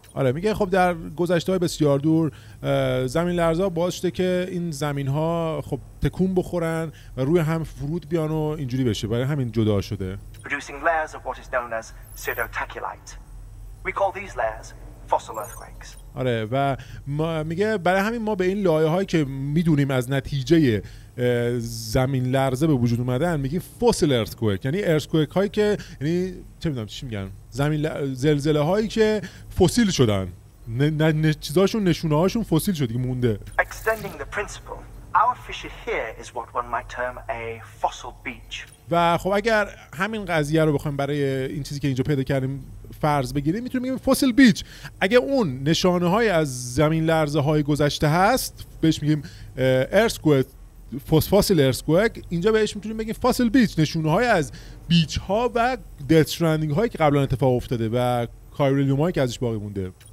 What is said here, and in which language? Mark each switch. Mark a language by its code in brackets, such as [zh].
[fa] آره میگه خب در گذشته های بسیار دور زمین لرزا باعث شده که این زمین ها خب تکون بخورن و روی هم فرود بیان و اینجوری بشه، برای همین جدا شده. [en] Producing layers of what is known as pseudotachylite. We call these layers fossil earthquakes. [fa] آره و میگه برای همین ما به این لایه هایی که میدونیم از نتیجه زمین لرزه به وجود اومدن میگیم فوسیل ارتکوئک، یعنی ارتکوئک هایی که یعنی چه میدونم چی میگن زمین زلزله هایی که فسیل شدن، نه چیزاشون نشونه هاشون فسیل شد دیگه مونده. [en] Extending the principle, our fissure here is what one might term a fossil beach. [fa] و خب اگر همین قضیه رو بخوایم برای این چیزی که اینجا پیدا کردیم فرض بگیریم میتونیم بگیم فسیل بیچ، اگر اون نشانه های از زمین لرزه های گذشته هست بهش میگیم ارتکوئک فسفاسیل ارسکوک، اینجا بهش میتونیم بگیم فاسیل بیچ، نشونه های از بیچ ها و دث استرندینگ هایی که قبلا اتفاق افتاده و کایرلیوم هایی که ازش باقی مونده.